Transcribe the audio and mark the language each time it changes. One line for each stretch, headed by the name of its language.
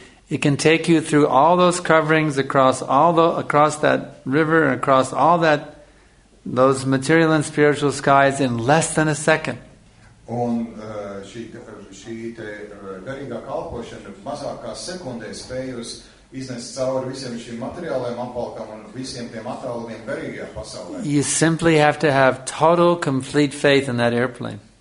English: It can take you through all those coverings across that river and across all that those material and spiritual skies in less than a second.
Latvian: Un šī garīgā kalpošana mazāk kā sekundē spējus iznest cauri visiem šiem materiālajiem apvalkam un visiem tiem attālumiem garīgajā pasaulē.
English: You simply have to have total complete faith in that airplane.